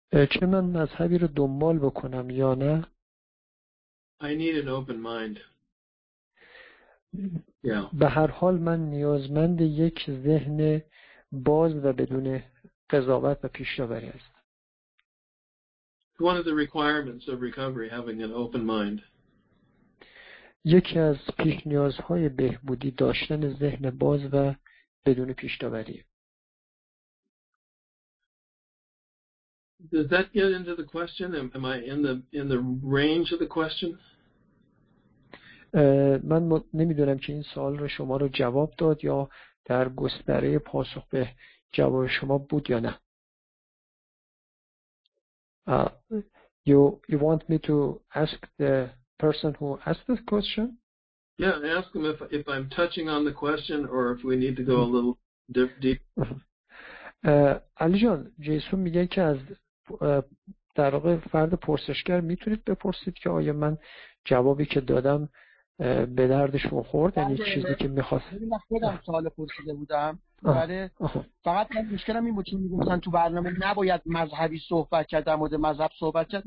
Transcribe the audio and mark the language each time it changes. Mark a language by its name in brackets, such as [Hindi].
[Persian] چه من مذهبی رو دنبال بکنم یا نه، [English] I need an open mind. [Persian] به هر حال من نیازمند یک ذهن باز و بدون قضاوت و پیش‌داوری هست. [English] One of the requirements of recovery, having an open mind. [Persian] یکی از پیش نیازهای بهبودی داشتن ذهن باز و بدون پیش‌داوری. [English] Does that get into the question? Am I in the range of the question? [Persian] من نمیدونم که این سوال رو شما رو جواب داد یا در گستره پاسخ به جواب شما بود یا نه. [English] You want me to ask the person who asked this question? Yeah, I ask him if I'm touching on the question or if we need to go a little deep. [Persian] علی جان، جیسون میگه که از در واقع فرد پرسشگر میتونید بپرسید که آیا من جوابی که دادم به دردش خورد، یعنی چیزی که میخواست. من خودم سوال پرسیده بودم. آره، فقط من مشکلم این بود که میگفتن تو برنامه نباید مذهبی صحبت کرد، در مورد مذهب صحبت کرد.